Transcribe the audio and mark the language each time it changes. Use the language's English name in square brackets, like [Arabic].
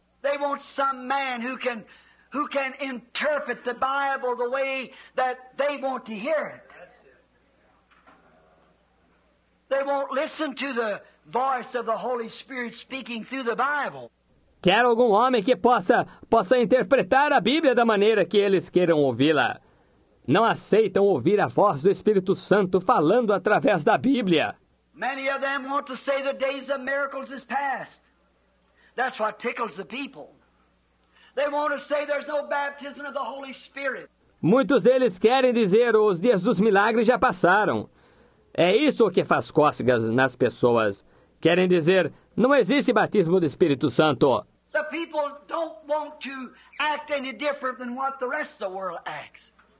[English] They want some man who can interpret the Bible the way that they want to hear it. They won't listen to the voice of the Holy Spirit speaking through the Bible. [Portuguese] Quero algum homem que possa interpretar a Bíblia da maneira que eles queiram ouvi-la. Não aceitam ouvir a voz do Espírito Santo falando através da Bíblia. [English] Many of them want to say the days of miracles is past. That's what tickles the people. They want to say there's no baptism of the Holy Spirit. [Portuguese] Muitos deles querem dizer os dias dos milagres já passaram. É isso que faz cócegas nas pessoas. Querem dizer, não existe batismo do Espírito Santo. [English] The people don't want to act any different than what the rest of the world acts.